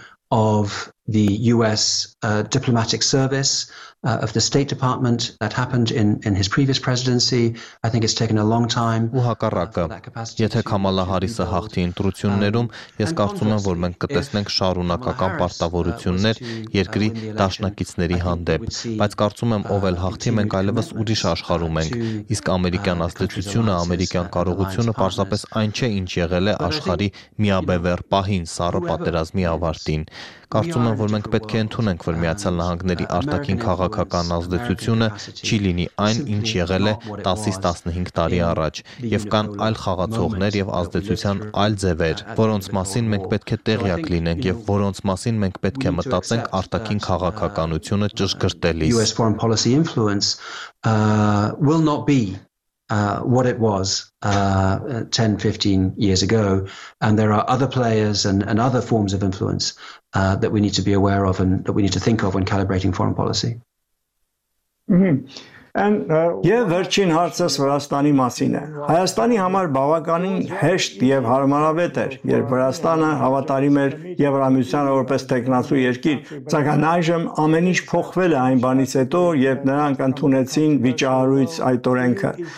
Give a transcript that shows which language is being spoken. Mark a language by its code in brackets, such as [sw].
[en] Of the US diplomatic service, of the State Department that happened in his previous presidency. I think it's taken a long time. [hy] Ու հակառակը, եթե Կամալա Հարիսը հաղթի ընտրություններում, ես կարծում եմ, որ մենք կտեսնենք շարունակական պարտավորություններ երկրի դաշնակիցների հանդեպ, բայց կարծում եմ, ով էլ հաղթի, մենք այլևս ուրիշ աշխարհում ենք, իսկ ամերիկյան ազդեցությունը, ամերիկյան կարողությունը պարզապես այն չէ, ինչ եղել է աշխարհի միաբևեր պահին սառը պատերազմի ավարտին։ Կարծում եմ, որ մենք պետք է ընդունենք, որ Միացյալ Նահանգների արտաքին քաղաքական ազդեցությունը չի լինի այն, ինչ եղել է 10-ից 15 տարի առաջ, եւ կան այլ խաղացողներ եւ ազդեցության այլ ձևեր, որոնց մասին մենք պետք է տեղյակ լինենք եւ որոնց մասին մենք պետք է մտածենք արտաքին քաղաքականությունը ճշգրտելիս։ [en] US foreign policy influence will not be what it was 10-15 years ago, and there are other players and other forms of influence that we need to be aware of and that we need to think of when calibrating foreign policy. Mm-hmm. [hy] Եվ վերջին հարցս Վրաստանի մասին է։ Հայաստանի համար բավականին հեշտ եւ հարմարավետ էր, երբ Վրաստանը հավատարիմ էր Եվրամիությանը որպես տեխնացու երկիր, ցանկան այժմ ամեն ինչ փոխվել է այն բանից հետո, երբ նրանք ընդունեցին վիճահարույց այդ օրենքը։